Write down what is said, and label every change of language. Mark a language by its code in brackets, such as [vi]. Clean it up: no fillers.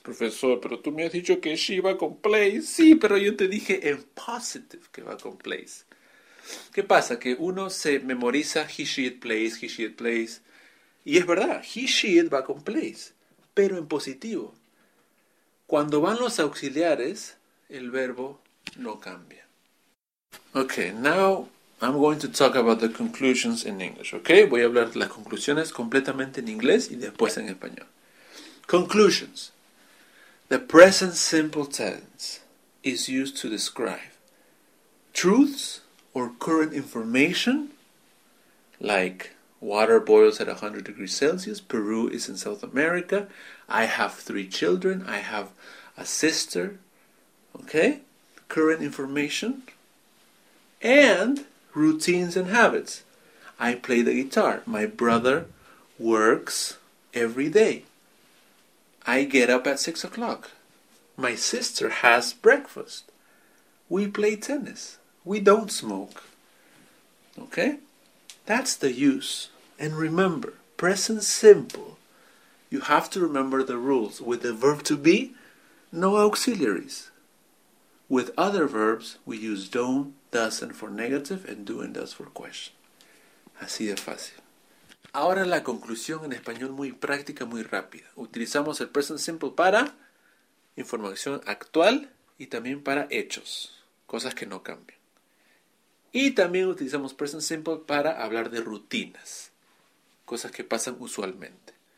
[es] Profesor, pero tú me has dicho que she va con plays. Sí, pero yo te dije en positive que va con plays. ¿Qué pasa? Que uno se memoriza [en] he, she, it plays. [es] Y es verdad, [en] he, she, it [es] va con plays. Pero en positivo. Cuando van los auxiliares, el verbo no cambia. [en] Okay, now I'm going to talk about the conclusions in English, okay? [es] Voy a hablar de las conclusiones completamente en inglés y después en español. [en] Conclusions. The present simple tense is used to describe truths or current information, like water boils at 100 degrees Celsius, Peru is in South America, I have 3 children, I have a sister, okay? Current information. And routines and habits. I play the guitar. My brother works every day. I get up at 6 o'clock. My sister has breakfast. We play tennis. We don't smoke. Okay? That's the use. And remember, present simple. You have to remember the rules. With the verb to be, no auxiliaries. With other verbs, we use don't, doesn't for negative, and do and does for question. [es] Así de fácil. Ahora la conclusión en español muy práctica, muy rápida. Utilizamos el present simple para información actual y también para hechos, cosas que no cambian. Y también utilizamos present simple para hablar de rutinas, cosas que pasan usualmente.